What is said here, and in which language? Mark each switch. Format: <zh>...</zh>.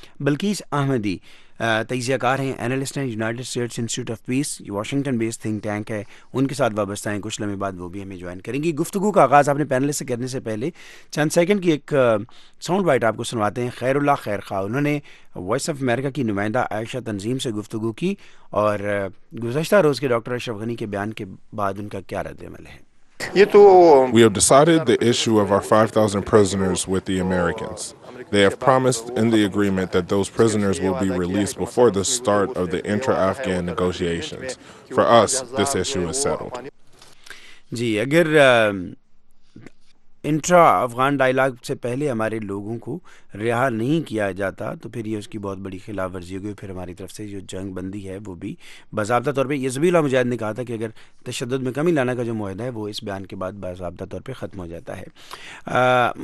<hi>बल्कीस अहमदी तजियाकार हैं, एनालिस्ट हैं, United states institute of peace, Washington based think tank है, उनके साथ वाबस्ता हैं, कुछ लम्हे बाद वो भी हमें ज्वाइन करेंगी। गुफ्तगू का आगाज़ अपने पैनलिस्ट से करने से पहले चंद सेकंड की एक साउंड बाइट आपको सुनवाते हैं। खैरुल्लाह खैर खां, उन्होंने वॉइस ऑफ अमेरिका की नुमाइंदा आयशा तंजीम से गुफ्तगू की और गुज़श्ता रोज़ के डॉक्टर अशरफ गनी के बयान के बाद उनका क्या रद्द अमल है। ये तो</hi> <en>We have decided the issue of our 5,000 prisoners with the Americans. They have promised in the agreement that those prisoners will be released before the start of the intra-Afghan negotiations. For us, this issue is settled.</en> <hi>Ji, agar intra afghan dialogue se pehle hamare logon ko रिहा नहीं किया जाता तो फिर ये उसकी बहुत बड़ी खिलाफ वर्जी होगी, फिर हमारी तरफ से जो जंग बंदी है वो भी बाज़ाब्ता तौर पे, यज़बीउल्लाह मुजाहिद ने कहा था कि अगर तशद्दुद में कमी लाना का जो मुआहदा है वो इस बयान के बाद बाज़ाब्ता तौर पे ख़त्म हो जाता है।</hi>